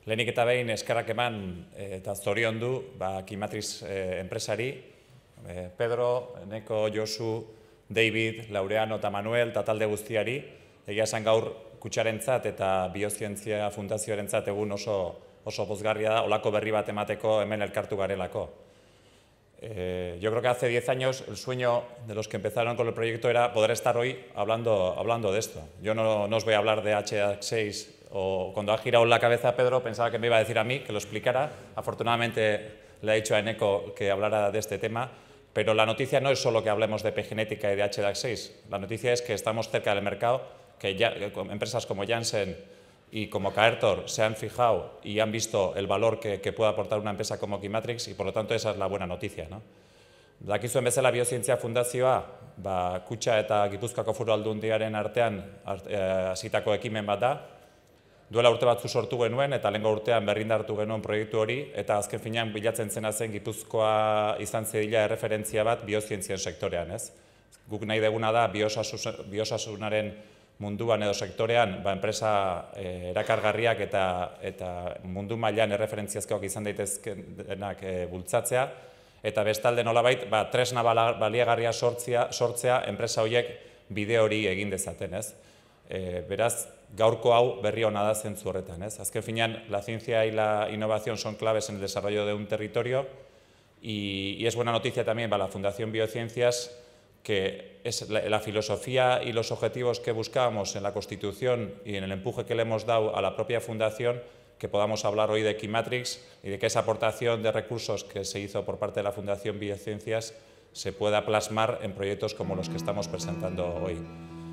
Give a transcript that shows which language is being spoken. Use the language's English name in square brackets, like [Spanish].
[Basque] Lehenik eta behin eskerrak eman eta zorion du, ba, Kymatrix enpresari, Pedro, Neko, Josu, David, Laureano eta Manuel, eta talde guztiari, egia esan gaur Kutxarentzat eta Biozientzia Fundazioarentzat egun oso pozgarria da, olako berri bat emateko hemen elkartu garelako. [Spanish] Yo creo que hace 10 años el sueño de los que empezaron con el proyecto era poder estar hoy hablando de esto. Yo no os voy a hablar de HA6, o cuando ha girado la cabeza Pedro pensaba que me iba a decir a mí que lo explicara. Afortunadamente le ha dicho a Eneko que hablara de este tema, pero la noticia no es solo que hablemos de epigenética y de HDAC6, la noticia es que estamos cerca del mercado, que ya empresas como Janssen y como Caertor se han fijado y han visto el valor que puede aportar una empresa como Kymatrix, y por lo tanto esa es la buena noticia, ¿no? [Basque] Dakizuen bezala, Biozientzia Fundazioa, ba, Kutxa eta Gipuzkoako Foru Aldundiaren artean hasitako ekimen bat da. Duela urte batzu sortu genuen eta lehengo urtean berrindartu genuen proiektu hori, eta azken finean bilatzen zena zen Gipuzkoa izan zedila erreferentzia bat biozientzien sektorean, ez? Guk nahi deguna da biosasunaren munduan edo sektorean, ba, enpresa erakargarriak eta mundu mailan erreferentziazkoak izan daitezkenak bultzatzea, eta bestalde nolabait, ba, tresna baliagarria sortzea enpresa horiek bide hori egin dezaten, ez? Beraz, gaurko hau berri hona da zentzu horretan, ez? Azken finean, [Spanish] la ciencia y la innovación son claves en el desarrollo de un territorio, y es buena noticia también para la Fundación Biociencias, que es la filosofía y los objetivos que buscábamos en la Constitución y en el empuje que le hemos dado a la propia Fundación, que podamos hablar hoy de Kymatrix y de que esa aportación de recursos que se hizo por parte de la Fundación Biociencias se pueda plasmar en proyectos como los que estamos presentando hoy.